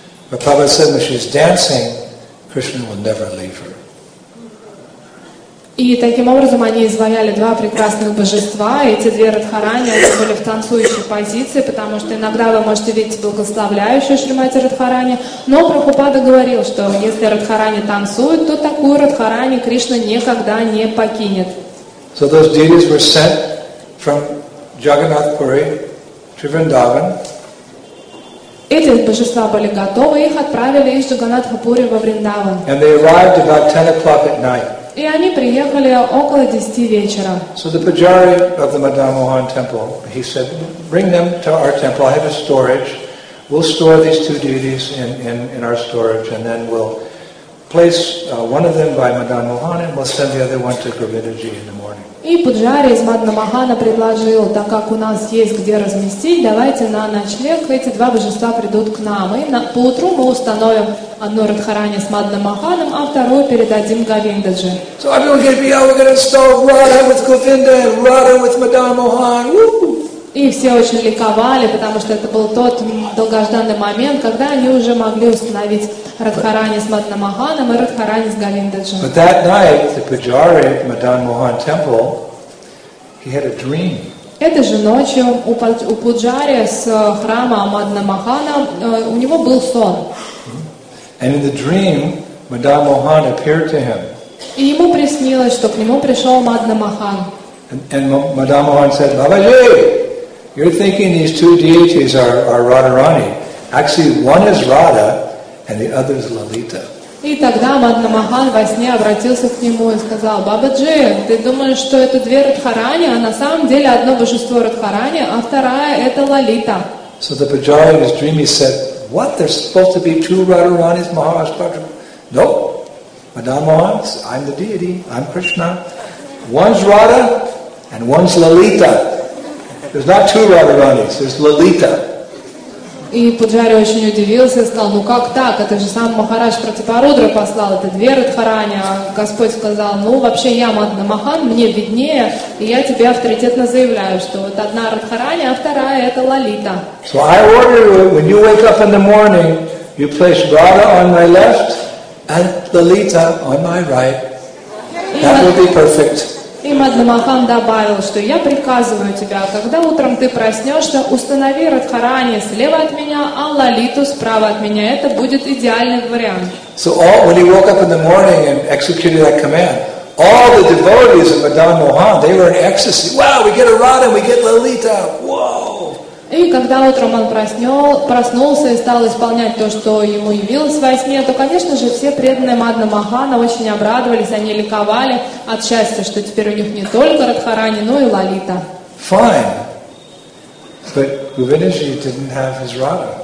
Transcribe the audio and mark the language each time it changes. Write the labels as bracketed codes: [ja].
[en] But Prabhupada said, when she's dancing, Krishna will never leave her. [ru] И таким образом они изваяли два прекрасных божества. Эти две Радхарани были в танцующей позиции, потому что иногда вы можете видеть благословляющую Шримати Радхарани. Но Прабхупада говорил, что если Радхарани танцует, то такую Радхарани Кришна никогда не покинет. [en] So those deities were sent from Jagannath Puri to Vrindavan. [ru] Эти божества были готовы, их отправили из Джаганнатха Пури во Вриндаван. [en] And they arrived about 10 o'clock at night. [ru] И они приехали около 10 вечера. [en] So the pujari of the Madan Mohan temple, he said, bring them to our temple. I have a storage. We'll store these two deities in our storage, and then we'll place one of them by Madan Mohan, and we'll send the other one to Govindaji in the morning. [ru] И пуджари из Мадхамахана предложил, так как у нас есть где разместить, давайте на ночлег эти два божества придут к нам. И поутру мы установим одну Радхарани с Мадхамаханом, а вторую передадим Говиндаджи. [en] So everyone gave me, we're going to install Radha with Govinda and Radha with Мадхамахан. [ru] И все очень ликовали, потому что это был тот долгожданный момент, когда они уже могли установить Радхарани с Мадхамаханом и Радхарани с Говиндаджи. [en] But that night, the pujari at Madan Mohan temple, he had a dream. [ru] Этой же ночью у пуджари с храма Мадхамахана у него был сон. [en] And in the dream, Madan Mohan appeared to him. [ru] И ему приснилось, что к нему пришел Мадхамахан. [en] And Madan Mohan said, Бабаджи! You're thinking these two deities are Radharani. Actually, one is Radha, and the other is Lalita. [ru] И тогда Мадна Махан во сне обратился к нему и сказал: «Бабаджи, ты думаешь, что это две Радхарани, а на самом деле одно божество Радхарани, а вторая — это Лалита». [en] So the Pujari in his dream, he said, what, there's supposed to be two Radharanis, Maharaj Padra? No, Madan Mohan, I'm the deity, I'm Krishna. One's Radha and one's Lalita. There's not two Radharanis, there's Lalita. [ru] И Пуджари очень удивился и сказал, ну как так, это же сам Махарадж Пратипарудра послал, это две Радхарани, а Господь сказал, ну вообще я Мадна Махан, мне виднее, и я тебе авторитетно заявляю, что вот одна Радхарани, а вторая это Лалита. [en] So I order you, when you wake up in the morning, you place Radha on my left and Lalita on my right. That will be perfect. [ru] И Мадна Махан добавил, что я приказываю тебя, когда утром ты проснешься, установи Радхарани слева от меня, а Лалиту справа от меня. Это будет идеальный вариант. [en] So all, when he woke up in the morning and executed that command, all the devotees of Madan Mohan, they were in ecstasy. Wow, we get a Radha and we get Lalita. Wow. [ru] И когда утром он проснулся и стал исполнять то, что ему явилось во сне, то, конечно же, все преданные Мадна Махана очень обрадовались, они ликовали от счастья, что теперь у них не только Радхарани, но и Лалита. [en] Fine. But Govindaji didn't have his Radha.